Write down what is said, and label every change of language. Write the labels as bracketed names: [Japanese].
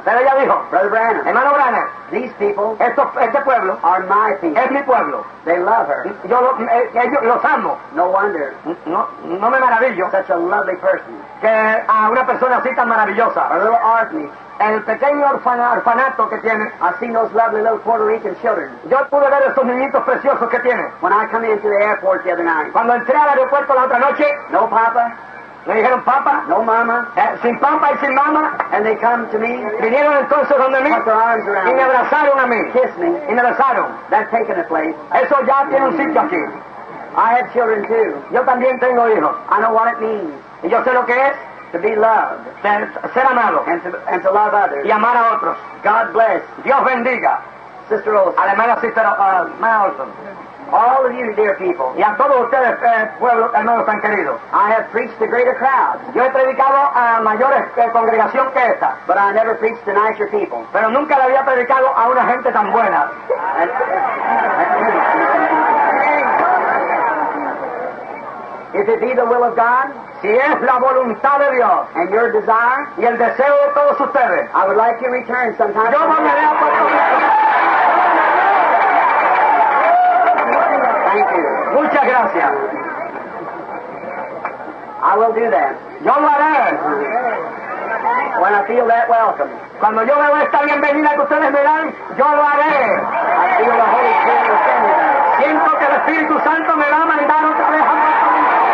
[Spanish] Pero ella dijo. [English] Brother Branham. [Spanish] Hermano Branham. [English] These people. [Spanish] Esto, este pueblo. [English] Are my people. [Spanish] Es mi pueblo. [English] They love her. [Spanish] Yo lo, ellos los amo. [English] No wonder. [Spanish] No, no me maravillo. [English] Such a lovely person. [Spanish] Que a una persona así tan maravillosa. [English] A little orphanage. [Spanish] El pequeño orfanato que tiene. [English] I see those lovely little Puerto Rican children. [Spanish] Yo pude ver esos niñitos preciosos que tiene. [English] When I come into the airport the other night. [Spanish] Cuando entré al aeropuerto la otra noche. [English] No papa. [Spanish] Le dijeron papa. [English] No mama. [Spanish] Sin papa y sin mama. [English] And they come to me. [Spanish] Vinieron entonces donde mí. [English] Put their arms around [Spanish] y me abrazaron a mí. [English] Kiss me. [Spanish] Y me abrazaron. [English] That's taken a place. [Spanish] Eso ya tiene un sitio aquí. [English] I have children too. [Spanish] Yo también tengo hijos. [English] I know what it means. [Spanish] Y yo sé lo que es. [English] To be loved. [Spanish] Ser amado. [English] And to love others. [Spanish] Y amar a otros. [English] God bless. [Spanish] Dios bendiga. [English] Sister Olson. [Spanish] A la hermana Sister Olson. [English] All of you, dear people. [Spanish] Y a todos ustedes, pueblo, hermanos tan queridos. [English] I have preached to greater crowds. [Spanish] Yo he predicado a mayores congregación que esta. [English] But I never preached to nicer people. [Spanish] Pero nunca le había predicado a una gente tan buena. [English] If it be the will of God, [Spanish] si es la voluntad de Dios, [English] and your desire, [Spanish] y el deseo de todos ustedes, [English] I would like to return sometime. [Spanish] Yo volveré a Puerto Rico. [English] Thank you. [Spanish] Muchas gracias. [English] I will do that. [Spanish] Yo lo haré. [English] When I feel that welcome. [Spanish] Cuando yo veo esta bienvenida que ustedes me dan, yo lo haré. [English] I feel the Holy Spirit within me. [Spanish] Siento que el Espíritu Santo me va a mandar otra vez a Puerto Rico.